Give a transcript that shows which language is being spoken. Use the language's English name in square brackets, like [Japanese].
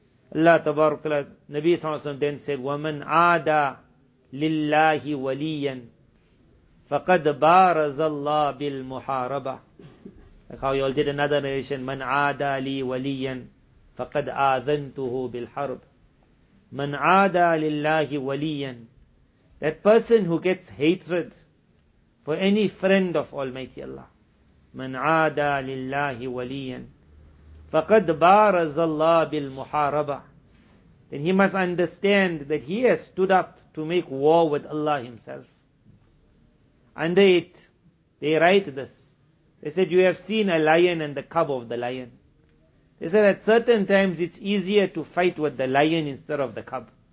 [English] Allah Tabarakala, Nabi Sallallahu Alaihi Wasallam then said, [Arabic] وَمَنْ عَادَ لِلَّهِ وَلِيًّا فَقَدْ بَارَزَ اللَّهِ بِالْمُحَارَبَةِ. [English] Like how you all did another narration, [Arabic] مَنْ عَادَ لِي وَلِيًّا فَقَدْ آذَنْتُهُ بِالْحَرْبِ. مَنْ عَادَ لِلَّهِ وَلِيًّا. [English] That person who gets hatred for any friend of Almighty Allah. [Arabic] من عادى لله وليا فقد بارز الله بالمحاربة. [English] Then he must understand that he has stood up to make war with Allah himself. Under it, they write this. They said, you have seen a lion and the cub of the lion. They said, at certain times it's easier to fight with the lion instead of the cub.